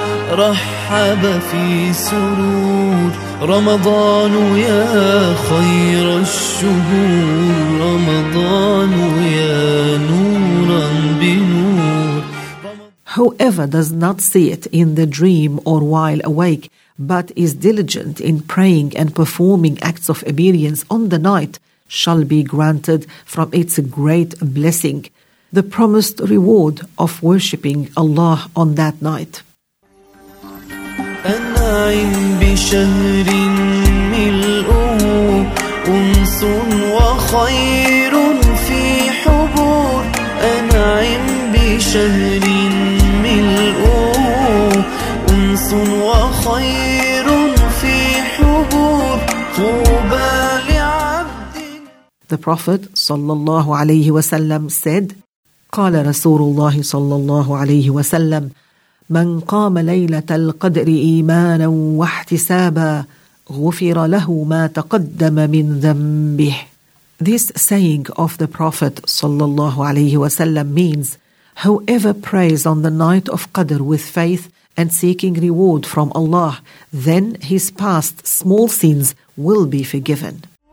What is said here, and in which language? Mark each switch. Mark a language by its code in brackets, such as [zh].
[ar] رحب في سرور رمضان يا خير الشهور رمضان يا نورا بنور. [en] Whoever does not see it in the dream or while awake, but is diligent in praying and performing acts of obedience on the night, shall be granted from its great blessing the promised reward of worshipping Allah on that night. [ar] أنعم بشهر ملؤه أنس وخير في حبور أنعم بشهر ملؤه أنس وخير في حبور طوبى لعبد. [en] The Prophet [ar] صلى الله عليه وسلم [en] said, [ar] قال رسول الله صلى الله عليه وسلم من قام ليلة القدر إيمانا واحتسابا غفر له ما تقدم من ذنبه. [en] This saying of the Prophet sallallahu alaihi wasallam means, whoever prays on the night of Qadr with faith and seeking reward from Allah, then his past small sins will be forgiven.